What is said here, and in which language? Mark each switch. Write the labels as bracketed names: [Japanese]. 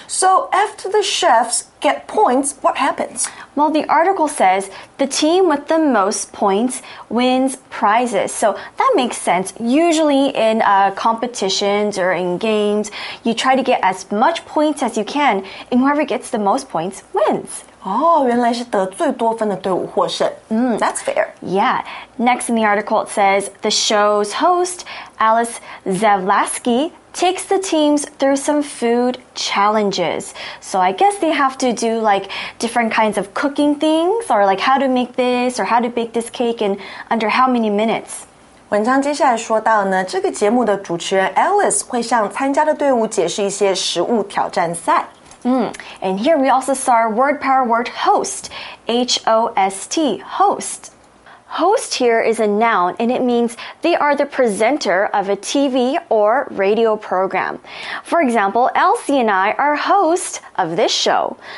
[English] So after the chefs get points, what happens? Well, the article says the team with the most points wins prizes. So that makes sense. Usually in competitions or in games, you try to get as much points as you can, and whoever gets the most points wins. [Chinese] Oh, 原来是得最多分的队伍获胜。 [English] That's fair. Yeah. Next in the article, it says, the show's host, Alice Zavlasky, takes the teams through some food challenges. So I guess they have to do, like, different kinds of cooking things, or like how to make this, or how to bake this cake, and under how many minutes? [Chinese] 文章接下来说到呢，这个节目的主持人 Alice 会向参加的队伍解释一些食物挑战赛。 [English] And here we also saw our word power word host, H-O-S-T, host. Host here is a noun, and it means they are the presenter of a TV or radio program. For example, Elsie and I are hosts of this show.